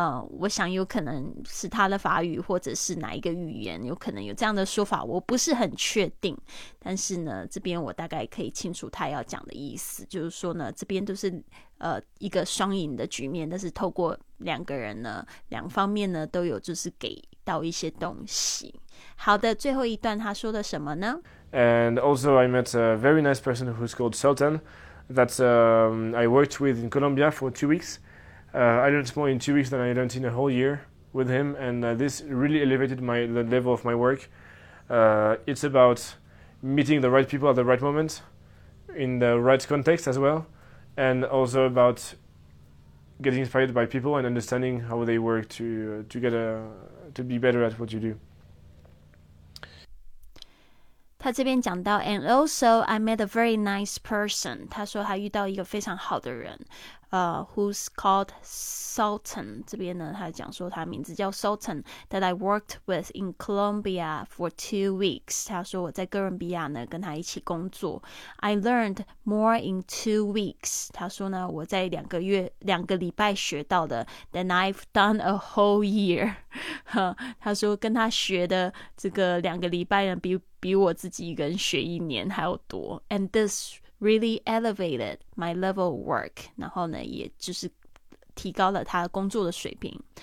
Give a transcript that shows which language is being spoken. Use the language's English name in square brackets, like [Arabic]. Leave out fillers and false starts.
[Chinese] 我想有可能是他的法语或者是哪一个语言有可能有这样的说法我不是很确定但是呢这边我大概可以清楚他要讲的意思就是说呢这边都是一个双赢的局面但是透过两个人呢两方面呢都有就是给到一些东西好的最后一段他说的什么呢 [English] And also I met a very nice person who's called Sultan that、I worked with in Colombia for 2 weeks、I learned more in 2 weeks than I learned in a whole year with him and、this really elevated the level of my work、it's about meeting the right people at the right moment in the right context as well and also about getting inspired by people and understanding how they work to be better at what you do. [Chinese] 他这边讲到 [English] and also I met a very nice person. [Chinese] 他说他遇到一个非常好的人、 [English] who's called Sultan. [Chinese] 这边呢他讲说他名字叫 [English] Sultan that I worked with in Colombia for 2 weeks. [Chinese] 他说我在哥伦比亚呢跟他一起工作。 [English] I learned more in 2 weeks. [Chinese] 他说呢我在两个礼拜学到的 [English] than I've done a whole year. [Chinese] 他说跟他学的这个两个礼拜呢 比我自己一个人学一年还要多 [English] And this really elevated my level of work [Chinese] 然后呢也就是提高了他工作的水平